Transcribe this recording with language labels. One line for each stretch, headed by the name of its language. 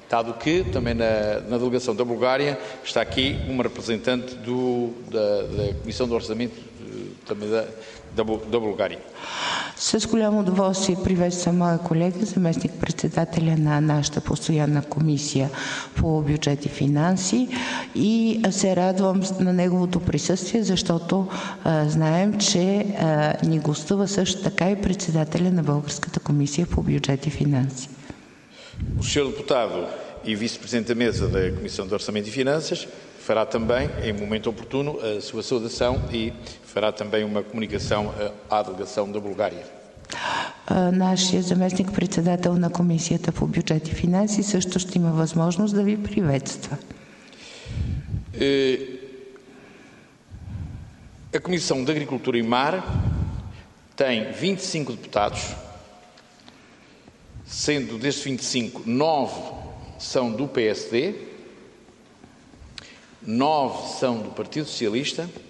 Portuguese: Dado que, também na delegação da Bulgária, está aqui uma representante da Comissão do Orçamento também da Bulgária.
Bulgarian: С голямо удоволствие приветствам моя колега, заместник-председателя на нашата постоянна комисия по бюджет и финанси и се радвам на неговото присъствие, защото знаем, че ни гостува също така и председателя на Българската комисия по бюджет и финанси.
Portuguese: O senhor deputado e vice-presidente da mesa da Comissão de Orçamento e Finanças fará também, em momento oportuno, a sua saudação e fará também uma comunicação à delegação da Bulgária.
Bulgarian: Нашия заместник-председател на Комисията по бюджет и финанси също ще има възможност да ви приветства.
Portuguese: A Comissão de Agricultura e Mar tem 25 deputados, sendo destes 25, 9 são do PSD, 9 são do Partido Socialista,